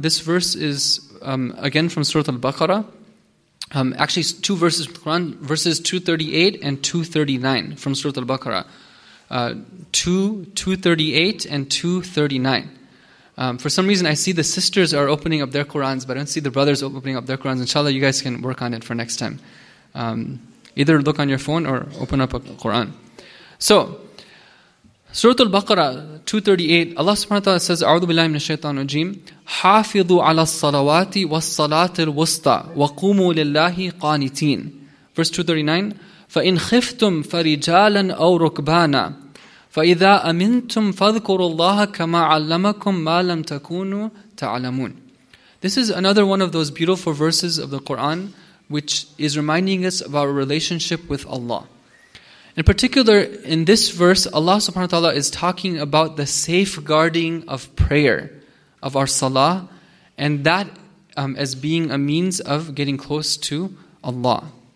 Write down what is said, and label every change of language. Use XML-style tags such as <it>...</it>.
<en>This verse is, again, from Surah Al-Baqarah. Actually, two verses from the Quran, verses 238 and 239 from Surah Al-Baqarah. 238 and 239. For some reason, I see the sisters are opening up their Qurans, but I don't see the brothers opening up their Qurans. Inshallah, you guys can work on it for next time. Either look on your phone or open up a Quran. So, Surah Al-Baqarah 238, Allah subhanahu wa ta'ala says,</en> <ar>أعوذ بالله من الشيطان الرجيم حافظوا على الصلوات والصلاة الوسطى وقوموا لله قانتين.</ar> <en>Verse 239,</en> <ar>فإن خفتم فرجالا أو ركبانا فإذا أمنتم فاذكروا الله كما علمكم ما لم تكونوا تعلمون.</ar> <en>This is another one of those beautiful verses of the Quran which is reminding us of our relationship with Allah. In particular, in this verse, Allah subhanahu wa ta'ala is talking about the safeguarding of prayer, of our salah, and that as being a means of getting close to Allah.</en>